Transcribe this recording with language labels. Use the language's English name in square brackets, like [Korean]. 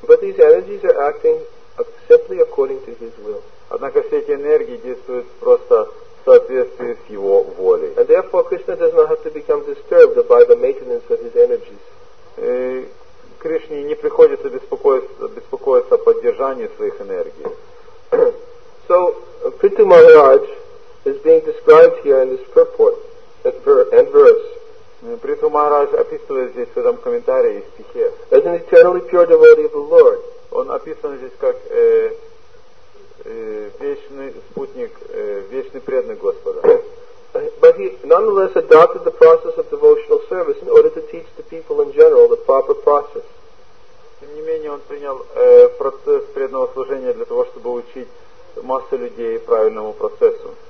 [English] But these energies are acting simply according to His will. [Russian] Однако все эти энергии действуют просто в соответствии с Его волей. [English] And therefore Krishna does not have to become disturbed by the maintenance of His energies. [Russian] Кришне не приходится беспокоиться о поддержании своих энергий. [English] So Prithu Maharaj is being described here in this purport and verse. [Russian] Prithu Maharaj описывает здесь в этом комментарии и стихе. [English] As an eternally pure devotee of the Lord. [Russian] Он описан здесь как вечный спутник, вечный преданный Господа. [English] But he nonetheless adopted the process of devotional service in order to teach the people in general the proper process. [Russian] Тем не менее, он принял процесс преданного служения для того, чтобы учить массу людей правильному процессу.